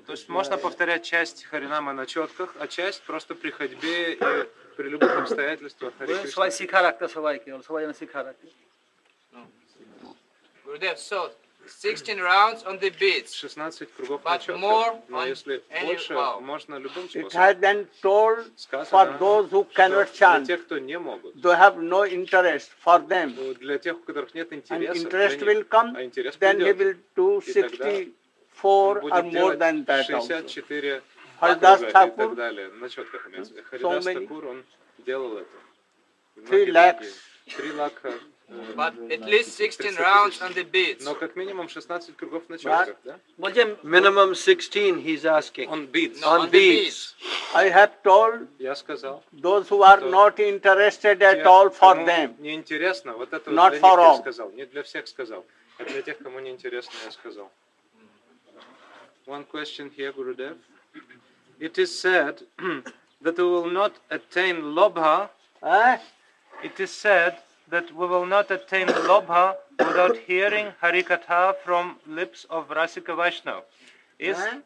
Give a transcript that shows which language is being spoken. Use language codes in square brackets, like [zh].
[ru] То есть можно повторять часть Харинама на четках, а часть просто при ходьбе и при любых обстоятельствах Hare Krishna. Свой сикаракта свайки, он свой на сикаракте. [en] Gurudev, so 16 rounds on the beads. [ru] 16 кругов на четках. [en] But more on any [ru] если больше, можно любым способом. [en] It has been told for those who cannot chant. [ru] Для тех, кто не могут. [en] They have no interest for them. [ru] Для тех, у которых нет интереса. [en] And interest will come. Then he will do 64 or more than that. [ru] 64 круга и так далее на четках. Харидас Такур, он делал это. [en] 3 lakhs. 3 lakh. But at least 16 rounds on the beads. [ru] Но как минимум 16 кругов на четках, да? [en] Minimum 16, he's asking. On beads. No, on beads. I have told. [ru] Я сказал. [en] Those who are not interested at all for them. [ru] Не интересно. Вот это вот для них я сказал. Не для всех сказал. А для тех, кому не интересно, я сказал. [en] One question here, Gurudev. It is said that we will not attain lobha. It is said that we will not attain lobha without hearing Harikatha from lips of Rasika Vaishnav. Is